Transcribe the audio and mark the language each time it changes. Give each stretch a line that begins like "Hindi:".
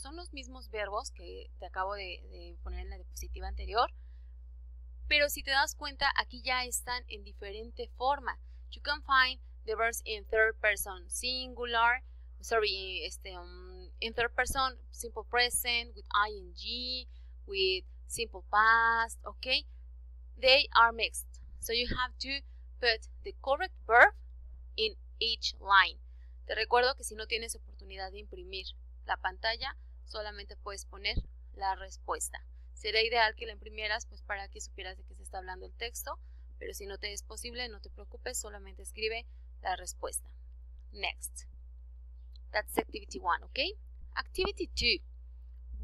Spanish: Son los mismos verbos que te acabo de poner en la diapositiva anterior. Pero si te das cuenta, aquí ya están en diferente forma.
English: You can find the verbs in third person singular. Sorry, in third person simple present with ing, with simple past, okay? They are mixed. So you have to put the correct verb in each line.
Spanish: Te recuerdo que si no tienes oportunidad de imprimir la pantalla, solamente puedes poner la respuesta. Sería ideal que la imprimieras, pues para que supieras de qué se está hablando el texto, pero si no te es posible, no te preocupes, solamente escribe la respuesta.
English: Next. That's activity 1, ¿ok? Activity 2.